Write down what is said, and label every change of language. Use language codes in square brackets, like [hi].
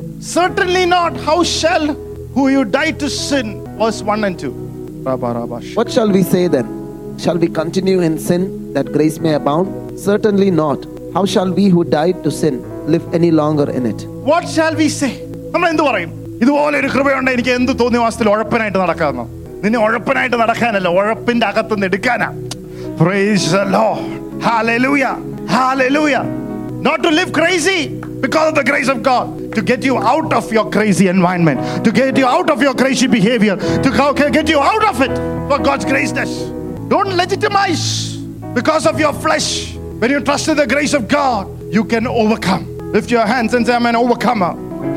[en] Certainly not. How shall who you died to sin? Verse 1 and 2. What shall we say then? Shall we continue in sin that grace may abound? Certainly not. How shall we who died to sin live any longer in it? What shall we say? [ml] നമ്മൾ എന്ത് പറയും? ഇതുപോലെ ഒരു കൃപയുണ്ട്, എനിക്ക് എന്ത് തോന്നി വാസ്തവത്തിൽ ഉഴപ്പനായിട്ട് നടക്കാമെന്നോ? നിന്നെ ഉഴപ്പനായിട്ട് നടക്കാനല്ല, ഉഴപ്പിന്റെ അകത്തുനിന്ന് എടുക്കാനാ. [en] Praise the Lord. Hallelujah, hallelujah. Not to live crazy because of the grace of God. To get you out of your crazy environment, to get you out of your crazy behavior, to get you out of it for God's graceness. Don't legitimize because of your flesh. When you trust in the grace of God, you can overcome. Lift your hands and say, I'm an overcomer.